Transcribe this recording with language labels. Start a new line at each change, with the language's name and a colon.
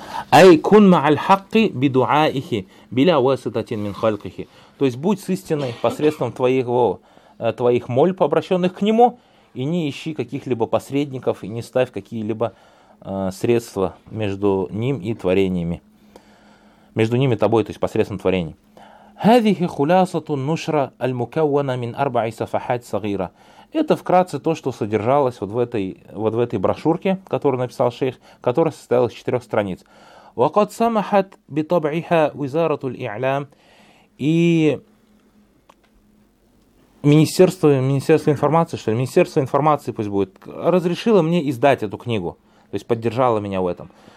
Arabic: Ай кун ма аль хакки би дуаихи, биля васитатин мин халькихи.
Russian: То есть, будь с истиной посредством твоих мольб, обращенных к нему, и не ищи каких-либо посредников, и не ставь какие-либо средства между ним и творениями. Между ним и тобой, то есть, посредством творений.
Arabic: هذه خلاصة النشرة المكونة من أربع صفحات صغيرة.
Russian: Это вкратце то, что содержалось вот в этой брошюрке, которую написал шейх, которая состояла из 4 страниц.
Arabic: وقد سمحت بطبعها وزارة الإعلام
Russian: и Министерство информации, пусть будет, разрешило мне издать эту книгу, то есть поддержало меня в этом.